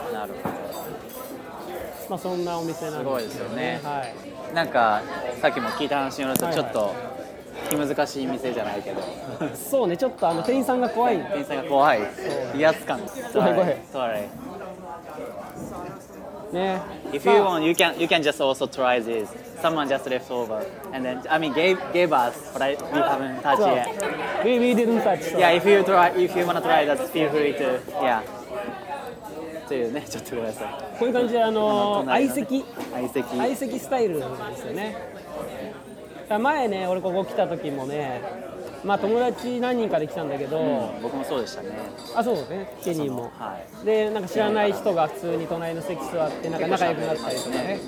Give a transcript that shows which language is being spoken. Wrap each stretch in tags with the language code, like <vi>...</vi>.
<ja>なるほど、まあ、そんなお店なんですよね。すごいですよね、はい、なんかさっきも聞いた話によると、ちょっと、はいはい、気難しい店じゃないけど、そうね、ちょっとあの店員さんが怖い、店員さんが怖い、威圧感、すごい、すごい、すごい、すごい、ね、</ja> <en>If you want, you can just also try this. Someone just left over, and then I mean gave us, but we haven't touched yet. We didn't touch. Yeah, if you try, if you wanna try, just feel free to, yeah.</en> <ja>というね、ちょっとごめんなさい。こういう感じで相席スタイルなんですよね。前ね、俺ここ来た時もね、まあ友達何人かで来たんだけど、うん、僕もそうでしたね。あ、そうね、ケニーも、はい、で、なんか知らない人が普通に隣の席座ってなんか仲良くなったりとかね、</ja>